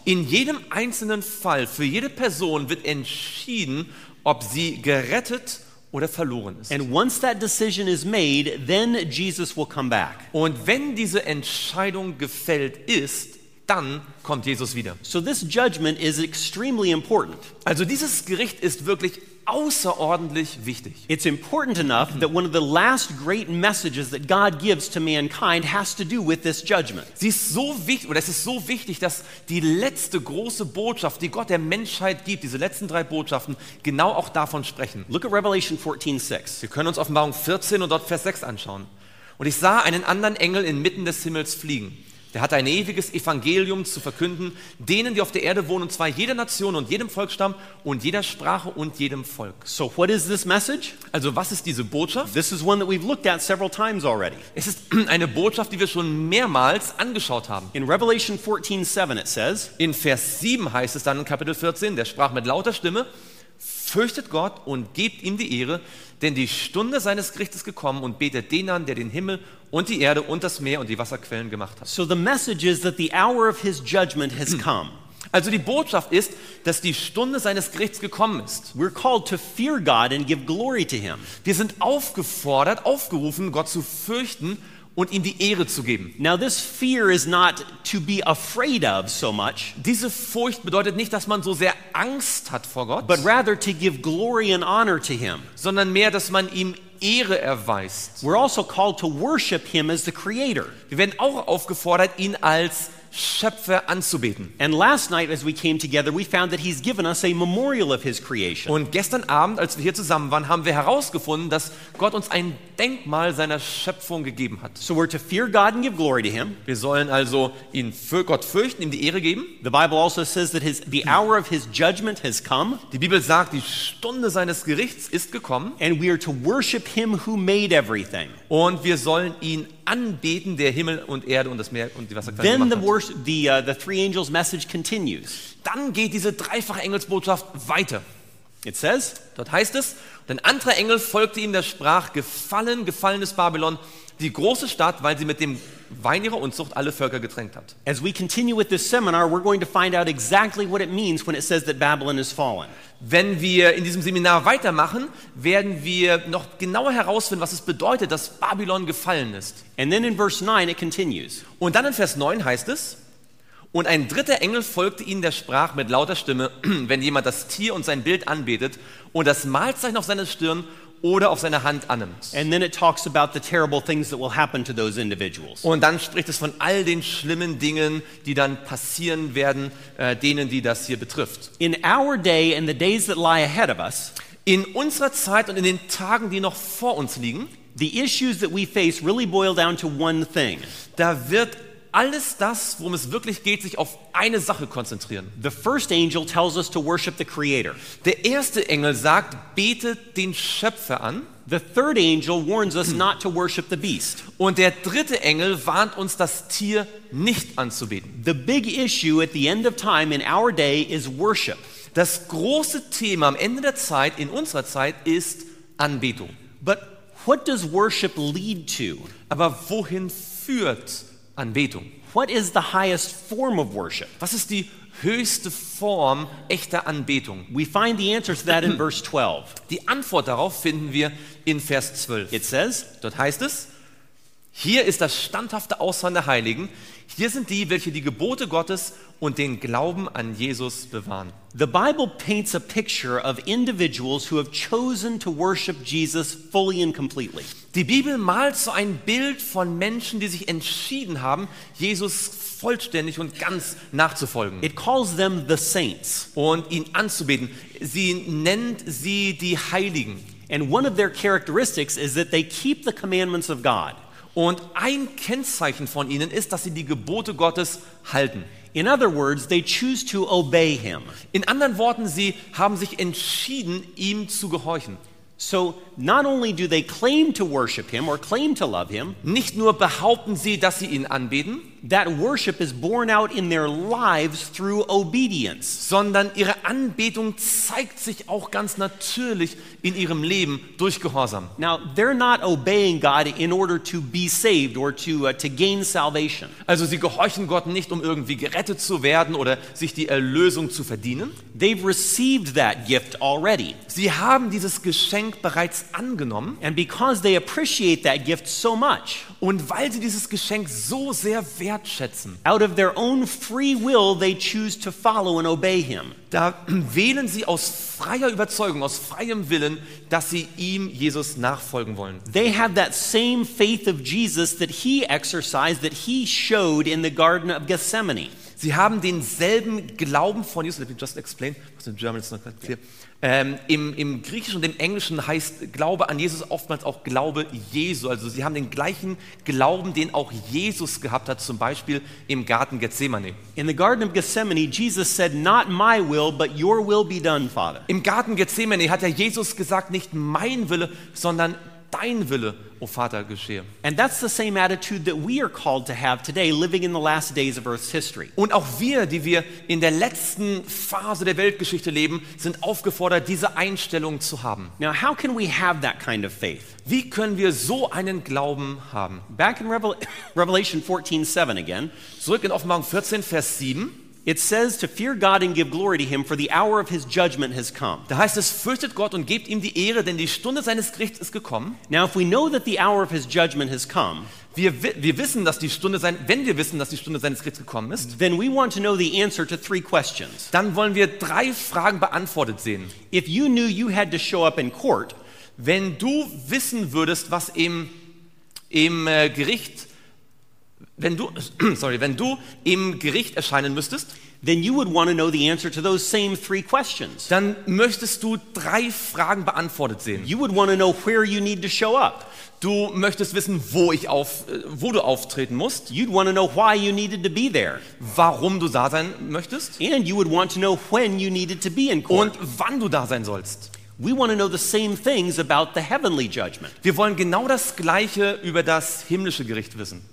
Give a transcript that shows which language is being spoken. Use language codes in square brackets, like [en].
[de] In jedem einzelnen Fall, für jede Person wird entschieden, ob sie gerettet oder verloren ist. [en] And once that decision is made, then Jesus will come back. [de] Und wenn diese Entscheidung gefällt ist, dann kommt Jesus wieder. [en] So this judgment is extremely important. [de] Also dieses Gericht ist wirklich außerordentlich wichtig. [en] It's important enough that one of the last great messages that God gives to mankind has to do with this judgment. [de] Es ist so wichtig, dass die letzte große Botschaft, die Gott der Menschheit gibt, diese letzten drei Botschaften, genau auch davon sprechen. [en] Look at Revelation 14:6. [de] Wir können uns Offenbarung 14 und dort Vers 6 anschauen. Und ich sah einen anderen Engel inmitten des Himmels fliegen. Der hatte ein ewiges Evangelium zu verkünden, denen, die auf der Erde wohnen, und zwar jeder Nation und jedem Volksstamm und jeder Sprache und jedem Volk. [en] So what is this message? [de] Also was ist diese Botschaft? [en] This is one that we've looked at several times already. [de] Es ist eine Botschaft, die wir schon mehrmals angeschaut haben. [en] In Revelation 14:7 it says, [de] in Vers 7 heißt es dann in Kapitel 14, der sprach mit lauter Stimme, fürchtet Gott und gebt ihm die Ehre, denn die Stunde seines Gerichts ist gekommen, und betet den an, der den Himmel und die Erde und das Meer und die Wasserquellen gemacht hat. [en] So the message is that the hour of his judgment has come. [de] Also die Botschaft ist, dass die Stunde seines Gerichts gekommen ist. [en] We're called to fear God and give glory to him. [de] Wir sind aufgefordert, aufgerufen, Gott zu fürchten und ihm die Ehre zu geben. [en] Now this fear is not to be afraid of so much. [de] Diese Furcht bedeutet nicht, dass man so sehr Angst hat vor Gott, [en] but rather to give glory and honor to him. [de] Sondern mehr, dass man ihm Ehre erweist. [en] We're also called to worship him as the creator. [de] Wir werden auch aufgefordert, ihn als Schöpfer anzubeten. [en] And last night as we came together, we found that he's given us a memorial of his creation. [de] Und gestern Abend, als wir hier zusammen waren, haben wir herausgefunden, dass Gott uns ein Denkmal seiner Schöpfung gegeben hat. [en] So we're to fear God and give glory to him. [de] Wir sollen also ihn für Gott fürchten, ihm die Ehre geben. [en] The Bible also says that the hour of his judgment has come. [de] Die Bibel sagt, die Stunde seines Gerichts ist gekommen. [en] And we are to worship him who made everything. [de] Und wir sollen ihn anbeten, der Himmel und Erde und das Meer und die Wasserquellen gemacht hat. [en] Then the three angels' message continues. [de] Dann geht diese dreifache Engelsbotschaft weiter. [en] It says, [de] dort heißt es, ein anderer Engel folgte ihm, der sprach, gefallen, gefallenes Babylon, die große Stadt, weil sie mit dem Wein ihrer Unzucht alle Völker getränkt hat. [en] As we continue with this seminar, we're going to find out exactly what it means when it says that Babylon is fallen. [de] Wenn wir in diesem Seminar weitermachen, werden wir noch genauer herausfinden, was es bedeutet, dass Babylon gefallen ist. [en] And then in verse 9 it continues. [de] Und dann in Vers 9 heißt es, und ein dritter Engel folgte ihnen, der sprach mit lauter Stimme, wenn jemand das Tier und sein Bild anbetet und das Malzeichen auf seine Stirn oder auf seine Hand annimmt. Und dann spricht es von all den schlimmen Dingen, die dann passieren werden, denen, die das hier betrifft. [en] In our day and the days that lie ahead of us, [de] in unserer Zeit und in den Tagen, die noch vor uns liegen, [en] the issues that we face really boil down to one thing. [de] Da wird alles das, worum es wirklich geht, sich auf eine Sache konzentrieren. [en] The first angel tells us to worship the creator. [de] Der erste Engel sagt, betet den Schöpfer an. [en] The third angel warns us not to worship the beast. [de] Und der dritte Engel warnt uns, das Tier nicht anzubeten. [en] The big issue at the end of time in our day is worship. [de] Das große Thema am Ende der Zeit in unserer Zeit ist Anbetung. [en] But what does worship lead to? [de] Aber wohin führt Anbetung? [en] What is the highest form of worship? [de] Was ist die höchste Form echter Anbetung? [en] We find the answer to that in verse 12. [de] Die Antwort darauf finden wir in Vers 12. [en] It says, [de] dort heißt es, hier ist das standhafte Ausharren der Heiligen. Hier sind die, welche die Gebote Gottes und den Glauben an Jesus bewahren. [en] The Bible paints a picture of individuals who have chosen to worship Jesus fully and completely. [de] Die Bibel malt so ein Bild von Menschen, die sich entschieden haben, Jesus vollständig und ganz nachzufolgen. [en] It calls them the saints. [de] Und ihn anzubeten. Sie nennt sie die Heiligen. [en] And one of their characteristics is that they keep the commandments of God. [de] Und ein Kennzeichen von ihnen ist, dass sie die Gebote Gottes halten. [en] In other words, they choose to obey him. [de] In anderen Worten, sie haben sich entschieden, ihm zu gehorchen. [en] So not only do they claim to worship him or claim to love him, [de] nicht nur behaupten sie, dass sie ihn anbeten, [en] that worship is born out in their lives through obedience, [de] sondern ihre Anbetung zeigt sich auch ganz natürlich in ihrem Leben durch Gehorsam. [en] Now they're not obeying God in order to be saved or to gain salvation. [de] Also sie gehorchen Gott nicht, um irgendwie gerettet zu werden oder sich die Erlösung zu verdienen. [en] They've received that gift already. [de] Sie haben dieses Geschenk bereits angenommen. [en] And because they appreciate that gift so much, [de] und weil sie dieses Geschenk so sehr wertschätzen, [en] out of their own free will they choose to follow and obey him. [de] Da wählen sie aus freier Überzeugung, aus freiem Willen, dass sie ihm, Jesus, nachfolgen wollen. [en] They have that same faith of Jesus that he exercised, that he showed in the Garden of Gethsemane. [de] Sie haben denselben Glauben von Jesus. [en] Let me just explain. [de] Was [en] in German [de] ist noch ganz clear. Im Griechischen und im Englischen heißt Glaube an Jesus oftmals auch Glaube Jesu. Also sie haben den gleichen Glauben, den auch Jesus gehabt hat, zum Beispiel im Garten Gethsemane. [en] In the Garden of Gethsemane, Jesus said, "Not my will, but your will be done, Father." [de] Im Garten Gethsemane hat ja Jesus gesagt, nicht mein Wille, sondern dein Wille, o Vater, geschehe. [en] And that's the same attitude that we are called to have today, living in the last days of Earth's history. [de] Und auch wir, die wir in der letzten Phase der Weltgeschichte leben, sind aufgefordert, diese Einstellung zu haben. [en] Now, how can we have that kind of faith? [de] Wie können wir so einen Glauben haben? [en] Back in Revelation 14:7 again. [de] Zurück in Offenbarung 14, Vers 7. [en] It says to fear God and give glory to him, for the hour of his judgment has come. [de] Da heißt es, fürchtet Gott und gebt ihm die Ehre, denn die Stunde seines Gerichts ist gekommen. [en] Now if we know that the hour of his judgment has come, [de] wenn wir wissen, dass die Stunde seines Gerichts gekommen ist, [en] then we want to know the answer to three questions. [de] Dann wollen wir drei Fragen beantwortet sehen. [en] If you knew you had to show up in court, [de] wenn du wissen würdest, was im Gericht, wenn du im Gericht erscheinen müsstest, [en] then you would want to know the answer to those same three questions. [de] Dann möchtest du drei Fragen beantwortet sehen. [en] You would want to know where you need to show up. [de] Du möchtest wissen, wo du auftreten musst. [en] You'd want to know why you needed to be there. [de] Warum du da sein möchtest. [en] And you would want to know when you needed to be in court. [de] Und wann du da sein sollst. [en] We want to know the same things about the heavenly judgment. [de] Wir wollen genau das Gleiche über das himmlische Gericht wissen.